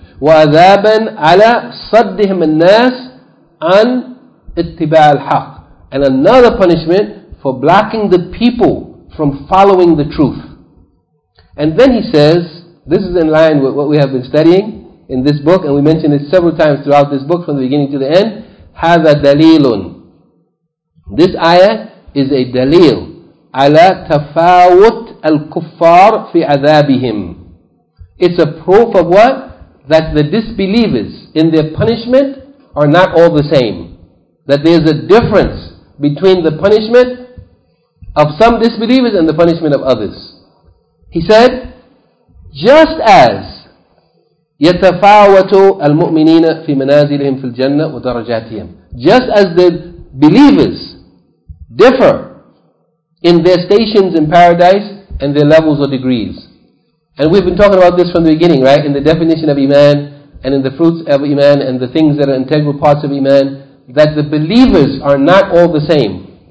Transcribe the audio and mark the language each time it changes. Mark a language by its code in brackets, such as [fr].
[ar] وَأَذَابًا عَلَى صَدِّهِمْ النَّاسِ عَنْ اتِّبَاعَ الْحَقِّ [en] And another punishment for blocking the people from following the truth. And then he says, this is in line with what we have been studying in this book, and we mentioned it several times throughout this book from the beginning to the end. [ar] هَذَا دَلِيلٌ [en] This ayah is a dalil. [ar] عَلَى تَفَاوُتْ الكفار في عذابهم. [en] It's a proof of what? That the disbelievers in their punishment are not all the same. That there's a difference between the punishment of some disbelievers and the punishment of others. He said, just as [ar] يتفاوتوا المؤمنين في منازلهم في الجنة ودرجاتهم. [en] Just as the believers differ in their stations in paradise and their levels or degrees. And we've been talking about this from the beginning, right? In the definition of Iman, and in the fruits of Iman, and the things that are integral parts of Iman, that the believers are not all the same.